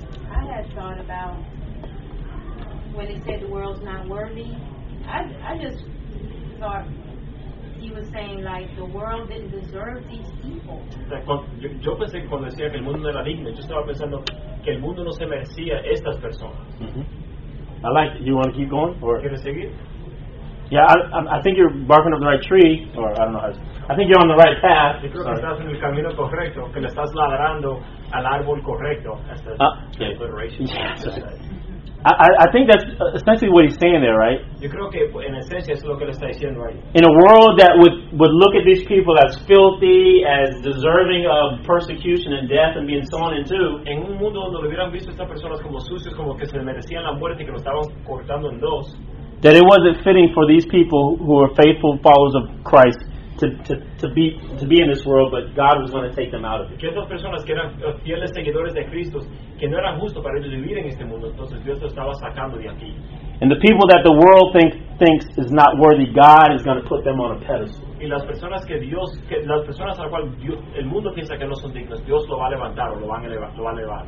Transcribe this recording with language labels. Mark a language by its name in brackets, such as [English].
[English] I had thought about when he said the world's not worthy. I just thought he was saying like the world didn't deserve these people. [Spanish] Yo pensé que cuando decía que el mundo no era digno, yo estaba pensando que el mundo no se merecía estas personas. [English] I like it. You want to keep going or? [Spanish] ¿Quieres seguir? [English] Yeah, I think you're barking up the right tree, or I don't know. I think you're on the right path. [Spanish] Yo creo que estás en el camino correcto, que le estás ladrando al árbol correcto. [English] I think that's essentially what he's saying there, right? [Spanish] Yo creo que en esencia es lo que le está diciendo ahí. [English] In a world that would look at these people as filthy, as deserving of persecution and death and being sawn in two. [Spanish] En un mundo donde hubieran visto a estas personas como sucios, como que se merecían la muerte y que lo estaban cortando en dos. [English] That it wasn't fitting for these people who are faithful followers of Christ to be in this world, but God was going to take them out of it. [Spanish] Que estas personas que eran fieles seguidores de Cristo, que no era justo para ellos vivir en este mundo, entonces Dios lo estaba sacando de aquí. [English] And the people that the world thinks is not worthy, God is going to put them on a pedestal. [Spanish] Y las personas que Dios, las personas a las cuales el mundo piensa que no son dignas, Dios lo va a levantar o lo va a elevar.